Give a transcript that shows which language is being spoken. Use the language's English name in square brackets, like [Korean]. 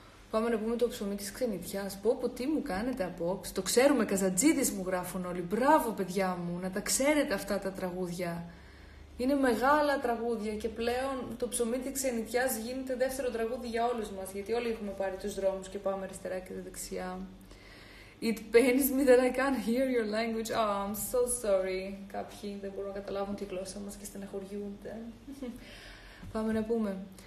[Greek] Πάμε να πούμε το ψωμί της ξενιτιάς. Πω πω τι μου κάνετε απόψε. Το ξέρουμε, Καζαντζίδης μου γράφουν όλοι. Μπράβο παιδιά μου, να τα ξέρετε αυτά τα τραγούδια. Είναι μεγάλα τραγούδια και πλέον το ψωμί της ξενιτιάς γίνεται δεύτερο τραγούδι για όλους μας. Γιατί όλοι έχουμε πάρει τους δρόμους και πάμε αριστερά και δεξιά. [English] It pains me that I can't hear your language. Oh, I'm so sorry. [Greek] Κάποιοι δεν μπορούν να καταλάβουν τη γλώσσα μας και στεναχωριούνται. Πάμε να πούμε.